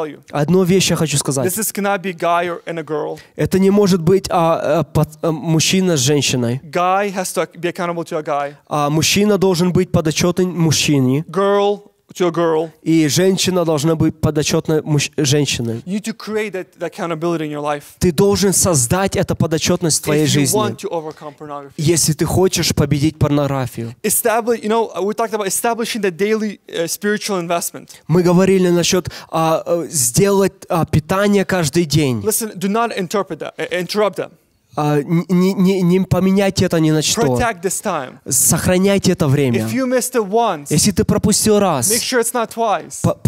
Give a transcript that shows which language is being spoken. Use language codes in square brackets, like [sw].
[ru] Одну вещь я хочу сказать. Это не может быть мужчина с женщиной. Мужчина должен быть подотчетен мужчине. [en] To a girl. [ru] И женщина должна быть подотчетной женщине. [en] You need to create that accountability in your life. [ru] Ты должен создать эту подотчетность в твоей жизни. [en] If you want to overcome pornography. [ru] Если ты хочешь победить порнографию. [en] Establish, you know, we talked about establishing the daily spiritual investment. [ru] Мы говорили насчет сделать питание каждый день. [en] Listen, do not interrupt that. Interrupt them. [ru] Не поменяйте это ни на что. [en] Protect this time. [ru] Сохраняйте это время. [en] If you missed it once, [ru] если ты пропустил раз, [en] make sure it's not twice.